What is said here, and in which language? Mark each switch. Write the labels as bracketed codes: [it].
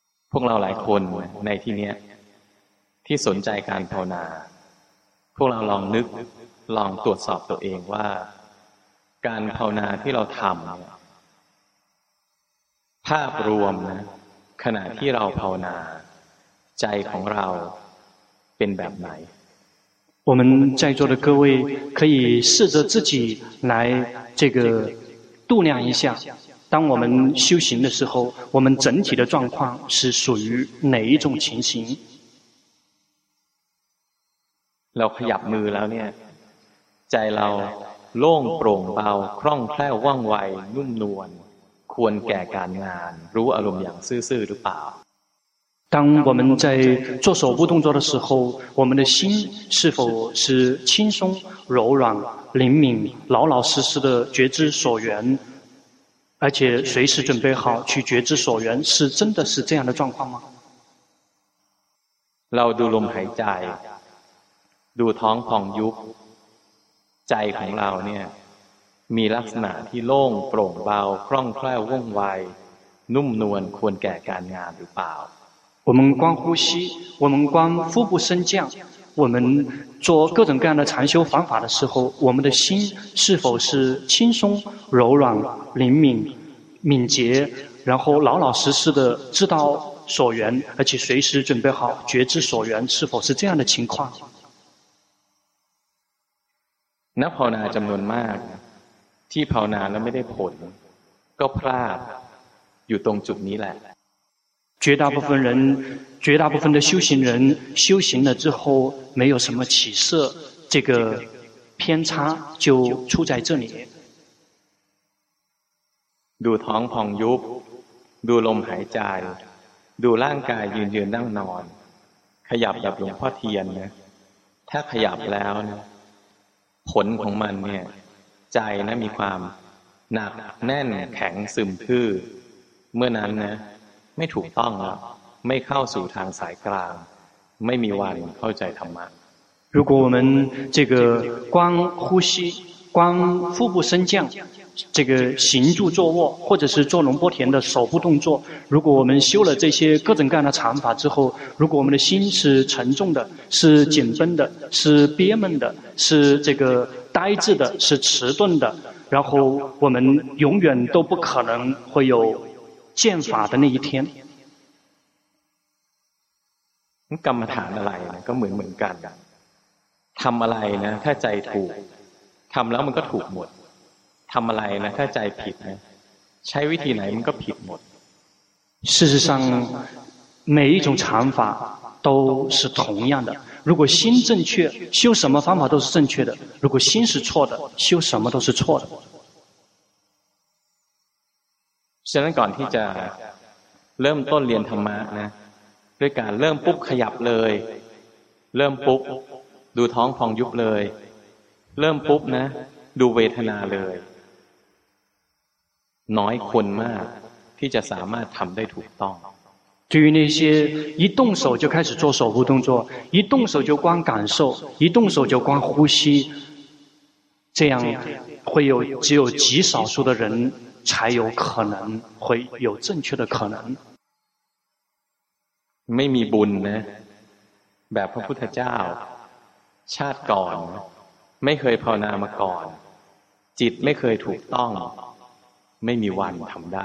[th] พวกเราหลายคนในที่นี้ที่สนใจการภาวนาพวกเราลองนึกลองตรวจสอบตัวเองว่าการภาวนาที่เราทำภาพรวมนะขณะที่เราภาวนาใจของเราเป็นแบบไหน [zh] 我们在座的各位可以试着自己来这个度量一下当我们修行的时候我们整体的状况是属于哪一种情形 [th] เราขยับมือแล้วเนี่ยใจเราโล่งโปร่งเบาคล่องแคล่วว่องไวนุ่มนวลควรแก่การงานรู้อารมณ์อย่างซื่อๆหรือเปล่า [zh] 当我们在做手部动作的时候我们的心是否是轻松柔软灵敏老老实实的觉知所缘而且随时准备好去觉知所缘是真的是这样的状况吗 [th] เราดูลมหายใจดูท้องพองยุบ ใจของเราเนี่ยมีลักษณะที่โล่งโปร่งเบาคล่องแคล่วว่องไวนุ่มนวลควรแก่การงานหรือเปล่า [zh] 我们光呼吸我们光腹部升降我们做各种各样的禅修方法的时候我们的心是否是轻松柔软灵敏敏捷然后老老实实的知道所缘而且随时准备好觉知所缘是否是这样的情况 [th] นักภาวนาจำนวนมากที่ภาวนาแล้วไม่ได้ผลก็พลาดอยู่ตรงจุดนี้แหละ [zh] 绝大部分人绝大部分的修行人修行了之后没有什么起色这个偏差就出在这里 [th] ดูท้องพองยุบดูลมหายใจดูร่างกายยืนยืนนั่งนอนขยับแบบหลวงพ่อเทียนนะถ้าขยับแล้วนะผลของมันเนี่ยใจนะมีความหนักแน่นแข็งซึมทื่อเมื่อนั้นนะไม่ถูกต้องแล้วไม่เข้าสู่ทางสายกลางไม่มีวันเข้าใจธรรมะ [zh] 如果我们这个光呼吸光腹部升降这个行住坐卧或者是做龙波田的手部动作如果我们修了这些各种各样的禅法之后如果我们的心是沉重的是紧绷的是憋闷的是这个呆滞的是迟钝的然后我们永远都不可能会有见法的那一天 [th] กรรมฐานอะไรก็เหมือนกันทำอะไรนะถ้าใจถูกทำแล้วมันก็ถูกหมดทำอะไรนะถ้าใจผิดนะใช้วิธีไหนมันก็ผิดหมด [zh] 事实上每一种禅法都是同样的如果心正确修什么方法都是正确的如果心是错的修什么都是错的 [th] ฉะนั้นก่อนที่จะเริ่มต้นเรียนธรรมะนะด้วยการเริ่มปุ๊บขยับเลยเริ่มปุ๊บดูท้องพองยุบเลยเริ่มปุ๊บนะดูเวทนาเลยน้อยคนมากที่จะสามารถทำได้ถูกต้อง [zh] 至于那些一动手就开始做手部动作一动手就光感受一动手就光呼吸这样会有只有极少数的人才有可能会有正确的可能 [th] ไม่มีบุญนะแบบพระพุทธเจ้าชาติก่อนไม่เคยภาวนามาก่อนจิตไม่เคยถูกต้องไม่มีวันทำได